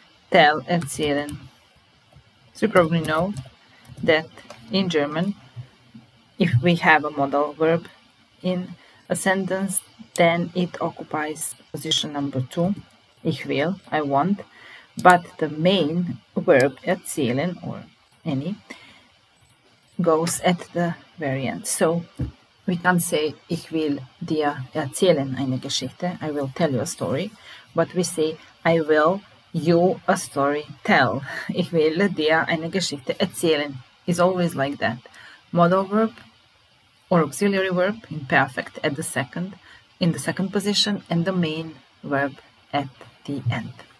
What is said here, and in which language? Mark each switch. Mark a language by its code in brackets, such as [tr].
[en] Tell, [de] erzählen. [en] So, you probably know that in German, if we have a modal verb in a sentence, then it occupies position number 2. [de] Ich will, [en] I want. But the main verb, [de] erzählen, [en] or any, goes at the very end. So we can say, [de] ich will dir erzählen eine Geschichte. [en] I will tell you a story. But we say, I will you a story tell. [de] Ich will dir eine Geschichte erzählen. [en] It's always like that. Modal verb or auxiliary verb, imperfect, at the second. In the second position, and the main verb at the end.